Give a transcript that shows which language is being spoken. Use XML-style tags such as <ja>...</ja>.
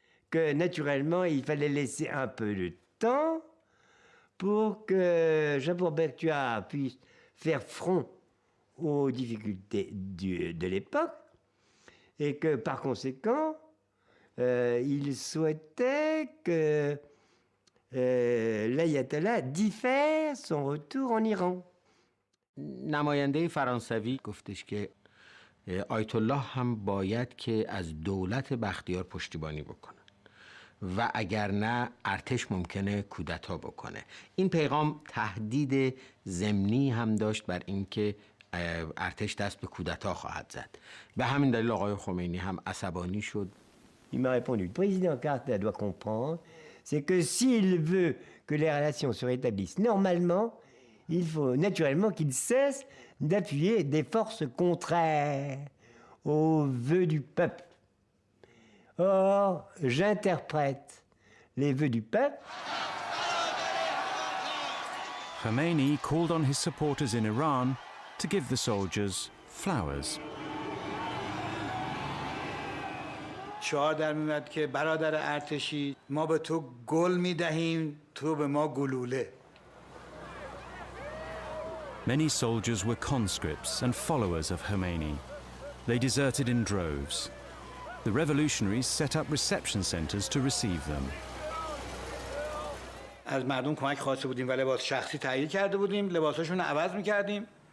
<fr>Que naturellement, il fallait laisser un peu de temps pour que Shapur Bakhtiar puisse faire front aux difficultés de l'époque et que par conséquent, il souhaitait que l'ayatollah diffère son retour en Iran.</fr> <fa>نماینده فرانسوی گفتش که آیت الله هم باید که از دولت بختیار پشتیبانی بکنه و اگر نه ارتش ممکنه کودتا بکنه. این پیغام تهدید ضمنی هم داشت بر اینکه ارتش دست به کودتا خواهد زد. به همین دلیل آقای خمینی هم عصبانی شد.</fa> <fr>Il m'a répondu, le président Carter doit comprendre, c'est que s'il veut que les relations se rétablissent normalement, il faut naturellement qu'il cesse d'appuyer des forces contraires aux vœux du peuple. Or, j'interprète les vœux du peuple.</fr> <en>Khomeini called on his supporters in Iran to give the soldiers flowers.</en> <fa>شعار در میاد که برادر ارتشی ما به تو گل میدهیم تو به ما گلوله.</fa> <en>Many soldiers were conscripts and followers of Khomeini. They deserted in droves. The revolutionaries set up reception centers to receive them.</en> <fa>از مردم کمک خواسته بودیم و لباس شخصی تهیه کرده بودیم، لباساشون رو عوض می‌کردیم.</fa>